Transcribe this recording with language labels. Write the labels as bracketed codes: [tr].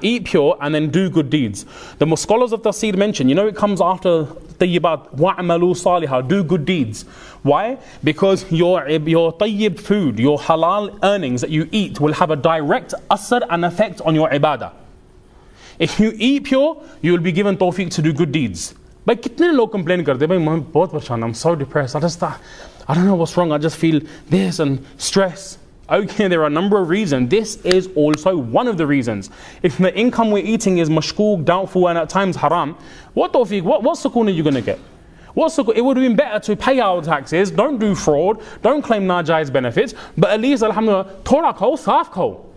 [en] Eat pure and then do good deeds. The scholars of Tafsir mention, you know, it comes after [ar] طَيِّبَاتِ وَعْمَلُوا صَالِحًا. [en] Do good deeds. Why? Because your طَيِّب food, your halal earnings that you eat will have a direct asr and effect on your ibadah. If you eat pure, you will be given tawfiq to do good deeds. [ur] But کتنے لوگ complain کرتے ہیں، میں بہت پریشان، [en] I'm so depressed. I don't know what's wrong. I just feel this and stress. Okay, there are a number of reasons. This is also one of the reasons. If the income we're eating is mashkook, doubtful, and at times haram, what tawfiq, what sukoon are you going to get? What's the good? It would have been better to pay our taxes, don't do fraud, don't claim Najai's benefits, but at least, alhamdulillah, Torah ko, saf ko.